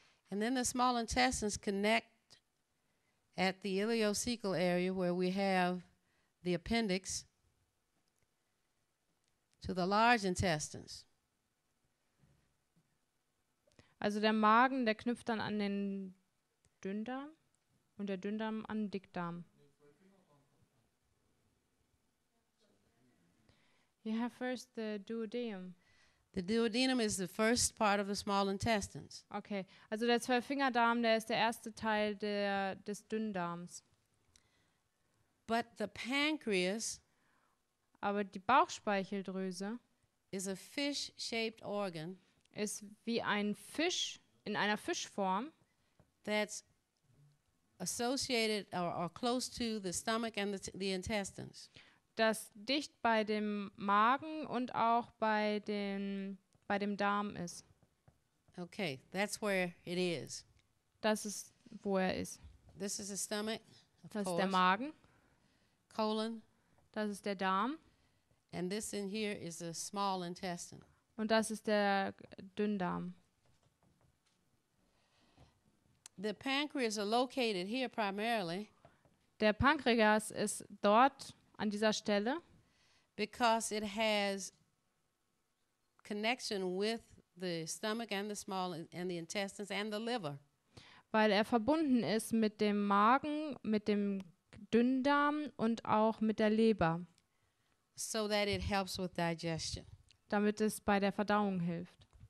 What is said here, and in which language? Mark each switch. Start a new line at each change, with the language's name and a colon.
English: And then the small intestines connect at the ileocecal area where we have the appendix to the large intestines.
German: Also der Magen, der knüpft dann an den Dünndarm und der Dünndarm an den Dickdarm.
English: You have first the duodenum. The duodenum is the first part of the small intestines.
German: Okay, also der Zwölffingerdarm, der ist der erste Teil des Dünndarms.
English: But the pancreas,
German: aber die Bauchspeicheldrüse,
English: is a fish-shaped organ,
German: ist wie ein Fisch in einer Fischform,
English: that's associated or close to the stomach and the intestines.
German: Das dicht bei dem Magen und auch bei dem Darm ist.
English: Okay, that's where it is.
German: das ist, wo er ist.
English: This is the stomach,
German: das ist der Magen.
English: Colon.
German: Das ist der Darm.
English: And this in here is the small intestine.
German: Und das ist der Dünndarm.
English: The pancreas are located here primarily.
German: Der Pankreas ist dort an dieser Stelle.
English: Because it has connection with the stomach and the small and the intestines and the liver.
German: Weil er verbunden ist mit dem Magen, mit dem Dünndarm und auch mit der Leber.
English: So that it helps with digestion.
German: Damit es bei der Verdauung hilft.